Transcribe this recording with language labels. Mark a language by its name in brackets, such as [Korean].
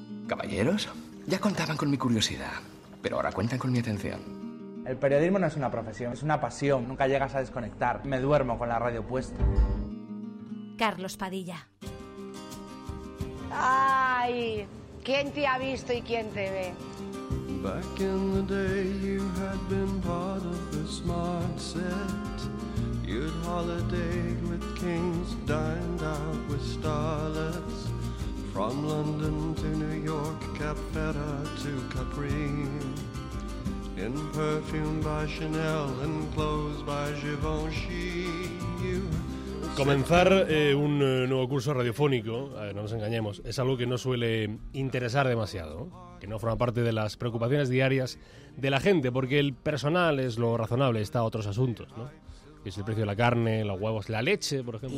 [Spanish] Caballeros, ya contaban con mi curiosidad, pero ahora cuentan con mi atención. El periodismo no es una profesión, es una pasión. Nunca llegas a desconectar. Me duermo con la radio puesta. Carlos Padilla. ¡Ay! ¿Quién te ha visto y quién te ve? [English] Back in the day you had been part of the smart set. You'd holidayed with kings, dined out with starlets. From London to New York, Capetta to Capri. In perfume by Chanel and clothes by Givenchy. [Spanish] Comenzar un nuevo curso radiofónico, a ver, no nos engañemos, es algo que no suele interesar demasiado, que no forma parte de las preocupaciones diarias de la gente, porque el personal es lo razonable, está a otros asuntos, ¿no? Que es el precio de la carne, los huevos, la leche, por ejemplo.